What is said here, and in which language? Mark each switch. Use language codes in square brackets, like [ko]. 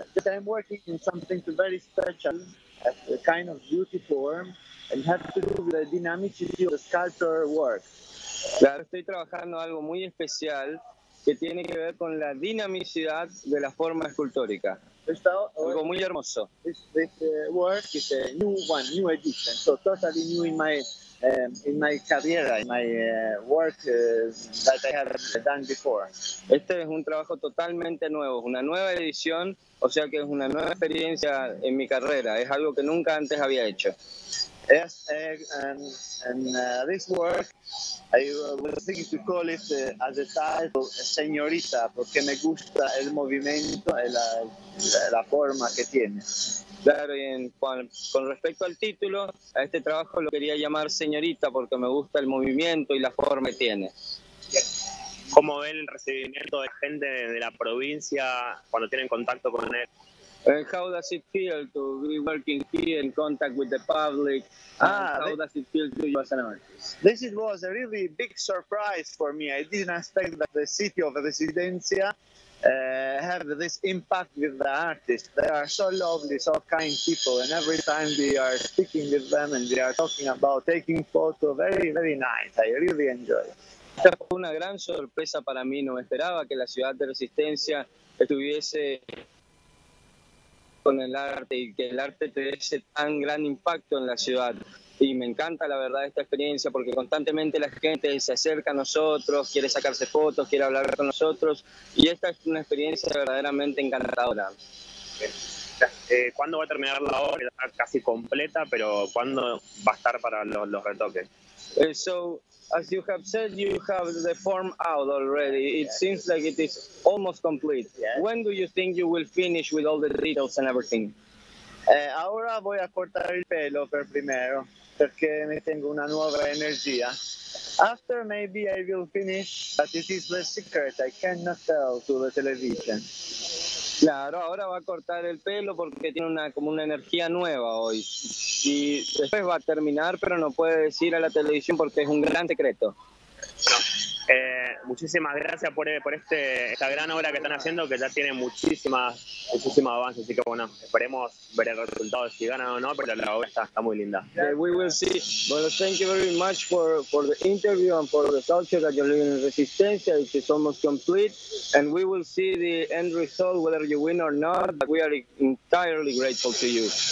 [en] I'm working in something very special, a kind of beauty form, and have to do the dynamicity of the sculpture work. [es] Claro, estoy trabajando algo muy especial que tiene que ver con la dinamicidad de la forma escultórica. Algo muy hermoso. [en] This work is a new one, new edition, so totally new in my in my career, in my work that I have done before. [es] Este es un trabajo totalmente nuevo, una nueva edición, o sea que es una nueva experiencia en mi carrera. Es algo que nunca antes había hecho. [en] Yes, and this work, I was thinking to call it as a title, Señorita, [es] porque me gusta el movimiento y la forma que tiene. Claro, y con respecto al título, a este trabajo lo quería llamar Señorita porque me gusta el movimiento y la forma que tiene. ¿Cómo ven el recibimiento de gente de la provincia cuando tienen contacto con él? [en] How does it feel to be working here in contact with the public? Does it feel to you as an artist? This was a really big surprise for me. I didn't expect that the city of Residencia have this impact with the artists. They are so lovely, so kind people, and every time we are speaking with them and we are talking about taking photos, very, very nice. I really enjoy it. [es] Esta fue una gran sorpresa para mí. No esperaba que la ciudad de Resistencia estuviese con el arte y que el arte te dé tan gran impacto en la ciudad. Y me encanta, la verdad, esta experiencia, porque constantemente la gente se acerca a nosotros, quiere sacarse fotos, quiere hablar con nosotros, y esta es una experiencia verdaderamente encantadora. ¿Cuándo va a terminar la obra? Está casi completa, pero ¿cuándo va a estar para los retoques? [en] So, as you have said, you have the form out already. Seems like it is almost complete. Yes. When do you think you will finish with all the details and everything? [es] Ahora voy a cortar el pelo per primero, porque me tengo una nueva energía. [en] After, maybe I will finish, but it is the secret. I cannot tell to the television. [es] Claro, ahora va a cortar el pelo porque tiene una como una energía nueva hoy. Y después va a terminar, pero no puede decir a la televisión porque es un gran secreto. Muchísimas gracias por esta gran obra que están haciendo, que ya tiene muchísimos avances. Así que bueno, esperemos ver el resultado, si ganan o no, pero la obra está muy linda. [en] We will see. Well, thank you very much for the interview and for the culture that you're living in Resistencia. It is almost complete. And we will see the end result, whether you win or not. But we are entirely grateful to you.